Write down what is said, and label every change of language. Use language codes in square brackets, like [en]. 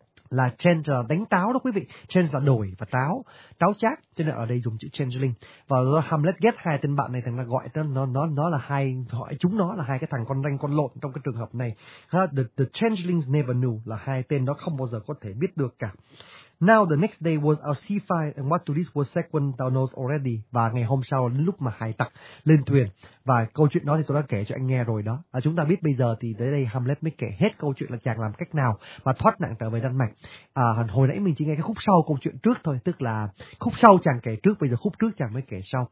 [vi] Là change là đánh táo đó quý vị, change là đổi và táo chác, cho nên ở đây dùng chữ changeling. Và Hamlet ghét hai tên bạn này, thằng là gọi tên nó là hai, gọi chúng nó là hai cái thằng con ranh con lộn trong cái trường hợp này. [en] The changelings never knew, [vi] là hai tên đó không bao giờ có thể biết được cả. [en] Now the next day was our sea fight and what to this was second thou knows already. [vi] Và ngày hôm sau đến lúc mà hải tặc lên thuyền. Và câu chuyện đó thì tôi đã kể cho anh nghe rồi đó. À, chúng ta biết bây giờ thì tới đây Hamlet mới kể hết câu chuyện là chàng làm cách nào mà thoát nạn trở về Đan Mạch. À, hồi nãy mình chỉ nghe cái khúc sau câu chuyện trước thôi. Tức là khúc sau chàng kể trước, bây giờ khúc trước chàng mới kể sau.